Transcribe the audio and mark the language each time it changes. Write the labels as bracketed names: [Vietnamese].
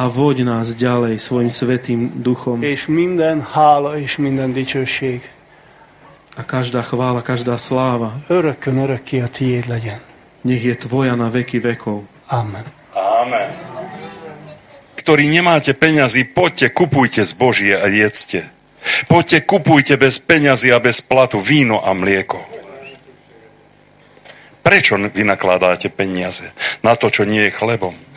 [Slovak] A vodj nás ďalej svojim svätým duchom. [Hungarian] És minden hála és minden dicsőség. [Slovak] A každá chvála, každá sláva. [Hungarian] Örökkön örökké a tiéd legyen. [Slovak] Nech je tvoja na veky vekov. Amen. Amen. Ktorí nemáte peňazí, poďte, kupujte zbožie a jedzte. Poďte, kupujte bez peňazí a bez platu víno a mlieko. Prečo vy nakladáte peniaze na to, čo nie je chlebom?